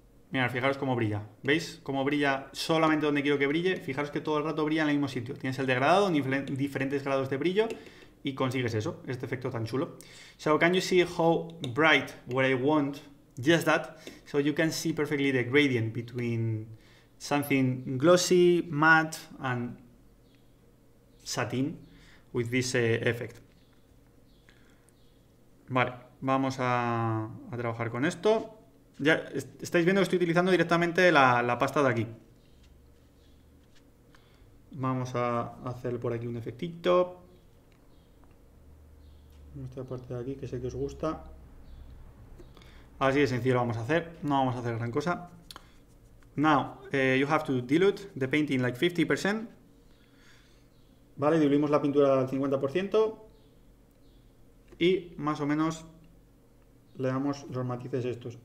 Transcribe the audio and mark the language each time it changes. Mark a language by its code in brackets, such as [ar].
[es] Mirad, fijaros cómo brilla. ¿Veis? Cómo brilla solamente donde quiero que brille. Fijaros que todo el rato brilla en el mismo sitio. Tienes el degradado, diferentes grados de brillo y consigues eso, este efecto tan chulo. [en] So, can you see how bright where I want just that? So, you can see perfectly the gradient between something glossy, matte, and satin with this effect. [es] Vale, vamos a trabajar con esto. Ya estáis viendo que estoy utilizando directamente la pasta de aquí. Vamos a hacer por aquí un efectito. Esta parte de aquí que sé que os gusta. Así de sencillo lo vamos a hacer. No vamos a hacer gran cosa. [en] Now, you have to dilute the painting like 50%. [es] Vale, diluimos la pintura al 50%. Y más o menos le damos los matices estos.